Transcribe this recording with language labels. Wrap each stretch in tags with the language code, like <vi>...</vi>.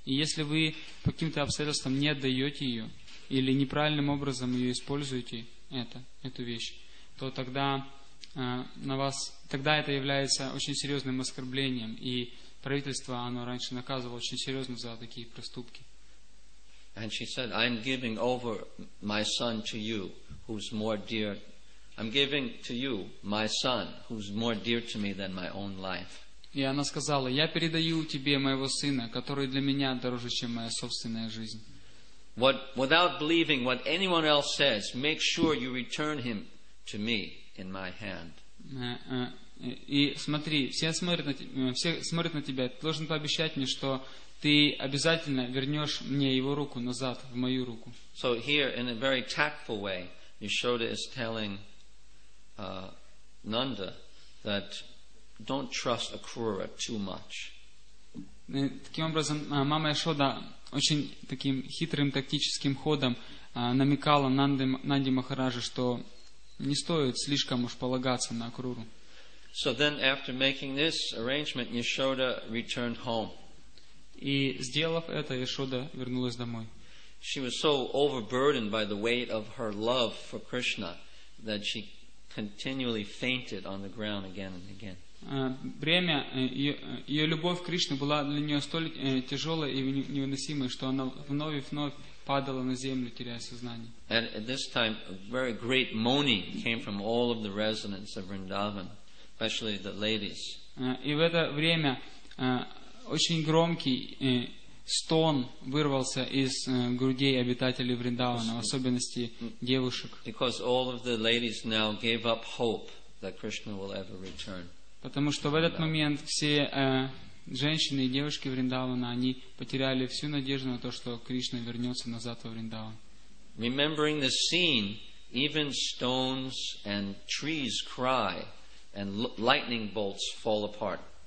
<ru>И если вы по каким-то обстоятельствам не отдаете ее или неправильным образом ее используете, эту вещь, то тогда на вас, тогда это является очень серьезным оскорблением, и правительство, оно раньше наказывало очень серьезно за такие проступки.</ru> <en>And she said, I'm giving over my son to you, who's more dear. I'm giving to you my son, who's more dear to me than my own life.</en> <ru>И она сказала, я передаю тебе моего сына, который для меня дороже, чем моя собственная жизнь.</ru> <en>What, without believing what anyone else says, make sure you return him to me in my hand.</en> <ru>И смотри, все смотрят на тебя. Ты должен пообещать мне, что ты обязательно вернешь мне его руку назад в мою руку.</ru> <en>So here, in a very tactful way, Yashoda is telling Nanda that don't trust Akrura too much.</en> <ru>Таким образом, мама Яшода очень таким хитрым тактическим ходом намекала Нанде Махараджи, что не стоит слишком уж полагаться на Акруру.</ru> <en>So then after making this arrangement, Yashoda returned home.</en> <ru>И сделав это, Яшода вернулась домой.</ru> <en>She was so overburdened by the weight of her love for Krishna that she continually fainted on the ground again and again.</en> <ru>Бремя ее любовь к Кришне была для нее столь тяжелой и невыносимой, что она вновь и вновь падала на землю, теряя сознание.</ru> <en>And at this time, a very great moaning came from all of the residents of Vrindavan, especially the ladies.</en> <ru>И в это время очень громкий стон вырвался из грудей обитателей Вриндавана, в особенности девушек.</ru> <en>Because all of the ladies now gave up hope that Krishna will ever return.</en> <ru>Потому что в этот момент все женщины и девушки Вриндавана, они потеряли всю надежду на то, что Кришна вернется назад во Вриндаван.</ru> <en>Remembering the scene, even stones and trees cry, and lightning bolts fall apart.</en>